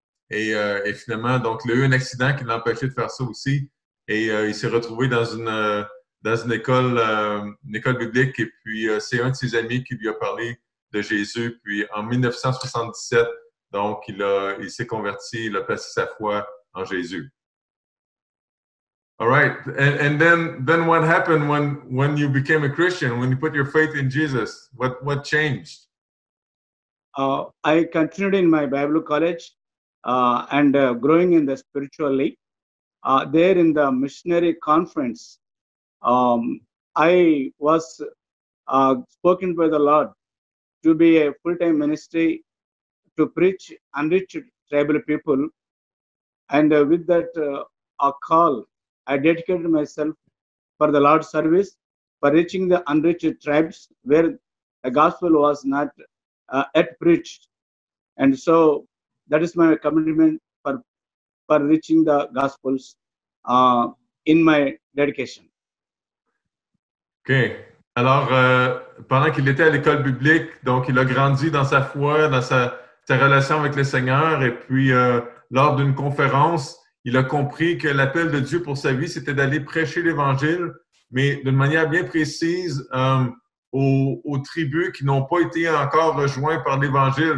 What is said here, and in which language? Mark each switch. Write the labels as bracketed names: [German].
[French] et finalement donc il a eu un accident qui l'a empêché de faire ça aussi, et il s'est retrouvé dans une école biblique, et puis c'est un de ses amis qui lui a parlé de Jésus, puis en 1977, donc il s'est converti, il a placé sa foi en Jésus. [English] All right, and then what happened when you became a Christian, when you put your faith in Jesus, what changed? I continued in my Bible college and growing in the spiritually. There in the missionary conference, I was spoken by the Lord to be a full-time ministry to preach unreached tribal people. And with that call, I dedicated myself for the Lord's service, for reaching the unreached tribes where the gospel was not yet preached. And so that is my commitment for reaching the gospels in my dedication. OK. [French] Alors, pendant qu'il était à l'école biblique, donc il a grandi dans sa foi, dans sa relation avec le Seigneur. Et puis, lors d'une conférence, il a compris que l'appel de Dieu pour sa vie, c'était d'aller prêcher l'Évangile, mais d'une manière bien précise aux tribus qui n'ont pas été encore rejoints par l'Évangile.